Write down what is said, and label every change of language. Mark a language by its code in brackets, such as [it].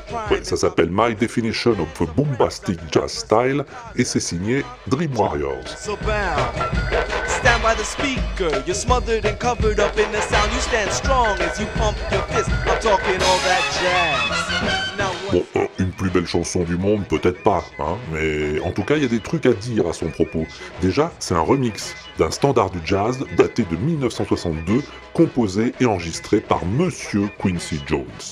[fr] Ouais, ça s'appelle My Definition of a Bombastic Jazz Style et c'est signé Dream Warriors. [en] Stand by the speaker, you're smothered and covered up in the sound. You stand strong as you pump your fist. I'm talking all that jazz. [fr] Bon, une plus belle chanson du monde, peut-être pas, hein, mais en tout cas, il y a des trucs à dire à son propos. Déjà, c'est un remix d'un standard du jazz daté de 1962, composé et enregistré par Monsieur Quincy Jones.